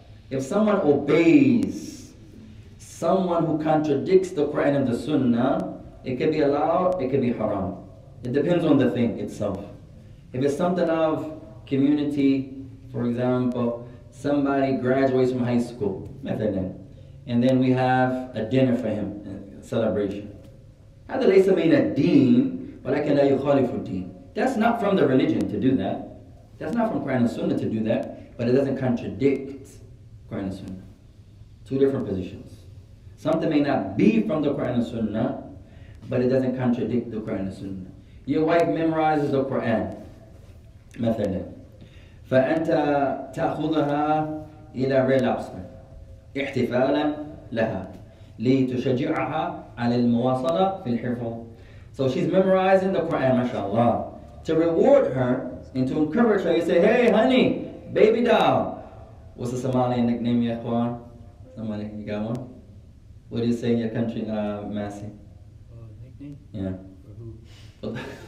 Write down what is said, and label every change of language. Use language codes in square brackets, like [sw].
[en] If someone obeys someone who contradicts the Quran and the Sunnah, it could be allowed, it could be haram. It depends on the thing itself. If it's something of community, for example, somebody graduates from high school, مثلا, and then we have a dinner for him, a celebration. [ar] هذا ليس من الدين ولكن لا يخالف الدين. [en] That's not from the religion to do that. That's not from Quran and Sunnah to do that, but it doesn't contradict Quran and Sunnah. Two different positions. Something may not be from the Quran and Sunnah, but it doesn't contradict the Quran and Sunnah. Your wife memorizes the Quran, مثلا. [ar] فأنت تأخذها إلى ريلابسر احتفالا لها لتشجعها على المواصلة في الحفظ. [en] So she's memorizing the Quran, mashallah. To reward her and to encourage her, you say, hey honey, baby doll. What's the Somali nickname, ya khwan? Somali, you got one? What do you say in your country, Massey? Nickname? Yeah. For who?